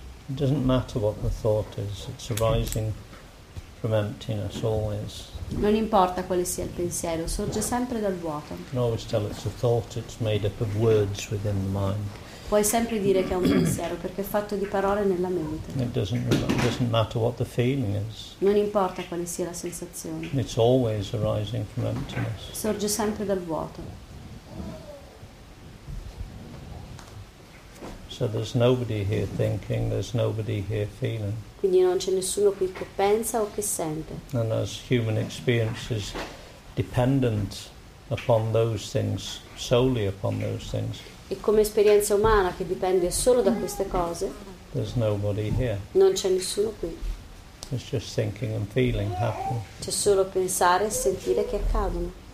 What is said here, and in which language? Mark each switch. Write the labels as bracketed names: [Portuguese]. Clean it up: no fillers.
[English] It doesn't matter what the thought is, it's arising from emptiness always. [Italian] Non importa quale sia il pensiero, sorge sempre dal vuoto. [English] You can always tell it's a thought, it's made up of words within the mind. [Italian] Puoi sempre dire che è un pensiero perché è fatto di parole nella mente. [English] It doesn't matter what the feeling is. [Italian] Non importa quale sia la sensazione. [English] It's always arising from emptiness. [Italian] Sorge sempre dal vuoto. [English] So there's nobody here thinking, there's nobody here feeling. [Italian] Quindi non c'è nessuno qui che pensa o che sente. [English] And as human experience is dependent upon those things, solely upon those things. [Italian] E come esperienza umana che dipende solo da queste cose. [English] There's nobody here. [Italian] Non c'è nessuno qui. [English] It's just thinking and feeling happening. [Italian] C'è solo pensare e sentire che accadono.